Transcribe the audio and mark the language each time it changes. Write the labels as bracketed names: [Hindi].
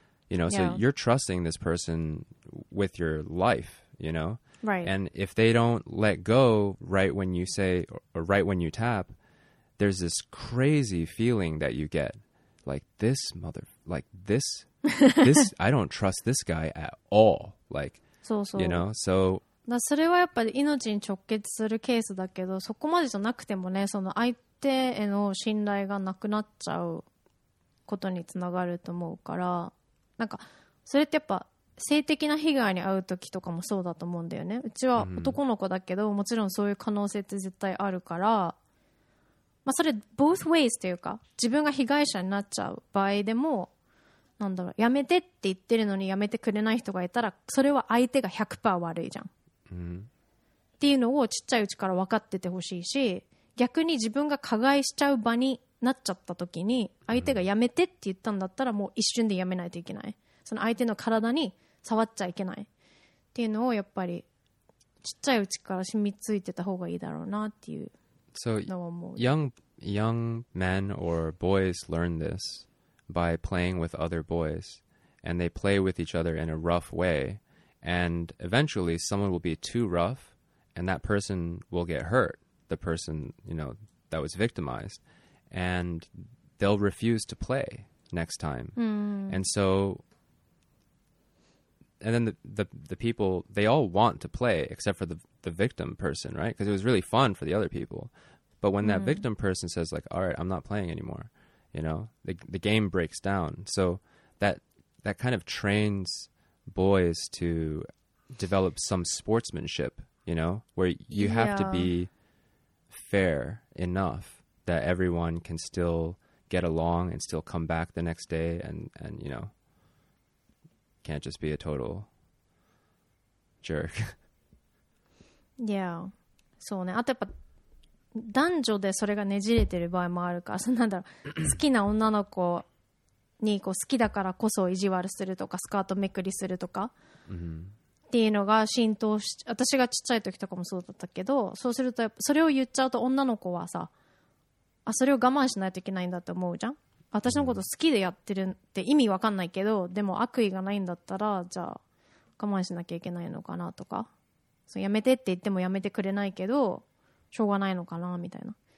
[English] You know, so you're trusting this person with your life, you know? Right. And if they don't let go right when you say or right when you tap, there's this crazy feeling that you get. Like this mother, like this, this, I don't trust this guy at all. Like, [Japanese] そうそう、 [English] you know? So, [Japanese] だそれはやっぱり命に直結するケースだけど、そこまでじゃなくてもね、その相手への信頼がなくなっちゃうことにつながると思うから、なんかそれってやっぱ性的な被害に遭うときとかもそうだと思うんだよね。うちは男の子だけど、もちろんそういう可能性って絶対あるから、まあ、それ [English] both ways [Japanese] というか、自分が被害者になっちゃう場合でも、なんだろう、やめてって言ってるのにやめてくれない人がいたら、それは相手が 100% 悪いじゃん、っていうのをちっちゃいうちから分かっててほしいし、逆に自分が加害しちゃう場になっちゃった時に相手がやめてって言ったんだったら、もう一瞬でやめないといけない、その相手の体に触っちゃいけないっていうのをやっぱりちっちゃいうちから染みついてた方がいいだろうなっていうのは思う。 [English] So, young men or boys learn thisby playing with other boys, and they play with each other in a rough way, And eventually someone will be too rough and that person will get hurt. The person, you know, that was victimized, and they'll refuse to play next time. Mm. And so, and then the people, they all want to play except for the victim person, right? Because it was really fun for the other people. But when that victim person says like, all right, I'm not playing anymore, you know, the game breaks down. So that kind of trains boys to develop some sportsmanship, you know, where you have to be fair enough that everyone can still get along and still come back the next day, and you know, can't just be a total jerk. Yeah. So, [Japanese] ね、あとやっぱ男女でそれがねじれてる場合もあるから、そのなんだろう、好きな女の子にこう好きだからこそ意地悪するとかスカートめくりするとか、 mm-hmm. っていうのが浸透し、私がちっちゃい時とかもそうだったけど、そうするとやっぱそれを言っちゃうと女の子はさ、あ、それを我慢しないといけないんだって思うじゃん。私のこと好きでやってるって意味わかんないけど、でも悪意がないんだったらじゃあ我慢しなきゃいけないのかなとか、そう、やめてって言ってもやめてくれないけどしょうがないのかなみたいな。